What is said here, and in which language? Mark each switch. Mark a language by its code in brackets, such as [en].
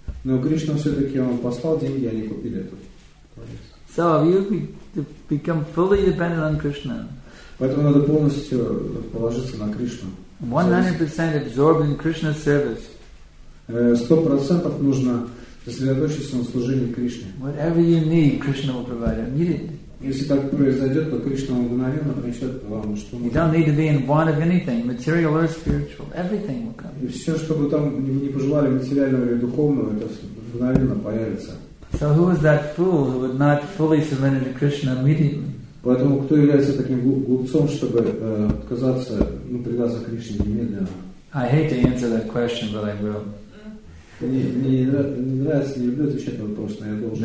[ru] Но Кришна все-таки он послал деньги, они купили это. [en] So if you become fully dependent on Krishna. [ru] Поэтому надо полностью положиться на Кришну. [en] 100% absorbed in Krishna's service. [ru] 100% нужно сосредоточиться на служении Кришне. [en] Whatever you need, Krishna will provide immediately. [ru] Если так произойдет, то Кришна мгновенно принесет вам, что нужно. [en] You don't need to be in want of anything, material or spiritual. Everything will come. [ru] И все, что бы там не пожелали материального или духовного, это мгновенно появится. [en] So who is that fool who would not fully submit to Krishna immediately? [ru] Поэтому кто является таким глупцом, чтобы отказаться, ну, предаться Кришне немедленно? [en] I hate to answer that question, but I will. [ru] Не нравится, не люблю отвечать на вопрос, но я должен.